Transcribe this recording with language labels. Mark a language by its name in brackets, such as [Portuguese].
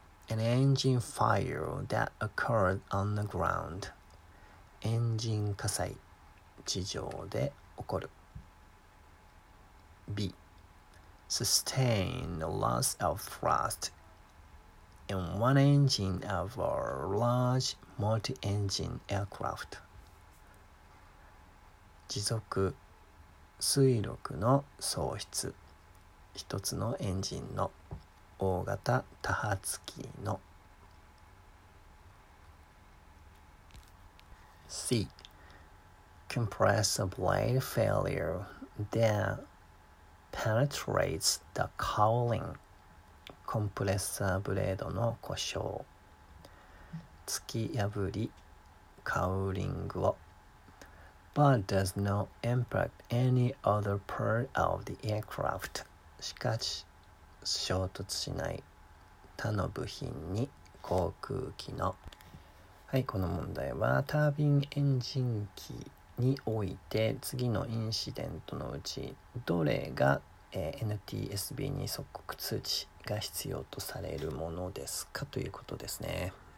[English] An engine fire that occurred on the ground. [Japanese] エンジン火災、地上で起こる。 [English] B. Sustained loss of thrust in one engine of a large multi-engine aircraft. [Japanese] 持続推力の喪失、一つのエンジンの大型多発機の。 [English] C. Compressor blade failure that penetrates the cowling. [Japanese] コンプレッサーブレードの故障、突き破りカウリングを。 [English] But does not impact any other part of the aircraft. [Japanese] しかし、衝突しない他の部品に航空機の。はい、この問題はタービンエンジン機において次のインシデントのうちどれが NTSB に即刻通知が必要とされるものですかということですね。